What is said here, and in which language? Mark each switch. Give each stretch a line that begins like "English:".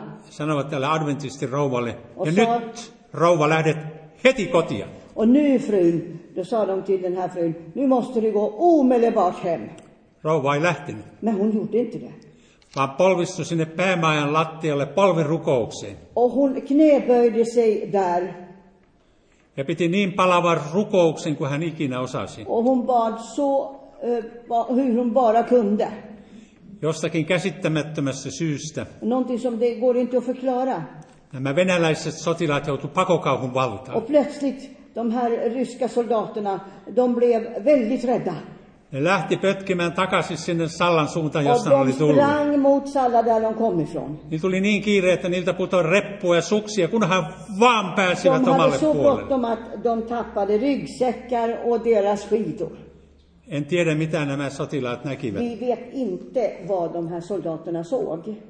Finnish: sanoivat tälle adventistin rouvalle, ja nyt rouva lähdet heti kotia.
Swedish: Och nu frun, då sa de till den här frun, nu måste du gå omedelbart hem.
Finnish: Rouva ei lähtenyt.
Swedish: Men hon gjorde inte det.
Finnish: Vaan polvistui sinne päämajan lattialle polvirukoukseen.
Swedish: Och hon knäböjde sig där.
Finnish: Ja piti niin palavan rukouksen kuin hän ikinä osasi.
Swedish: Och hon bad så hur hon bara kunde.
Finnish: Jostakin käsittämättömästä syystä.
Swedish: Någonting som det går inte att förklara.
Finnish: Nämä venäläiset sotilaat joutuivat pakokauhun valtaan.
Swedish: Och plötsligt de här ryska soldaterna, de blev väldigt rädda.
Finnish: Ne lähti pötkimään takaisin sinne Sallan suuntaan, josta ne oli tullut.
Swedish: Och de sprang mot Salla där de kom ifrån.
Finnish: Ne tuli niin kiire, että niiltä putoi reppua ja suksia, kunhan vaan pääsivät omalle puolelle.
Swedish: De hade så bråttom att de tappade ryggsäckar och deras skidor.
Finnish: En tiedä, mitä nämä sotilaat näkivät.
Swedish: Vi vet inte vad de här soldaterna såg.